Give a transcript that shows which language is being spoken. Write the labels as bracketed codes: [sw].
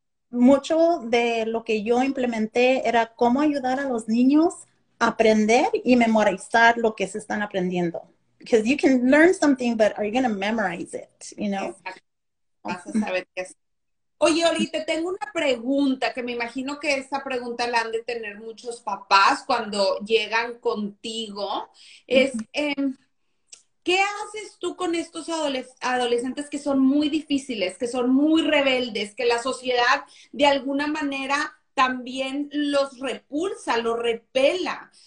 [es] Mucho de lo que yo implementé era cómo ayudar a los niños a aprender y memorizar lo que se están aprendiendo. [en] Because you can learn something, but are you going to memorize it, you know? [es] Exacto. Vas a saber qué es. Oye, Oli, te tengo una pregunta, que me imagino que esta pregunta la han de tener muchos papás cuando llegan contigo. Es, ¿qué haces tú con estos adolescentes que son muy difíciles, que son muy rebeldes, que la sociedad de alguna manera también los repulsa, los repela?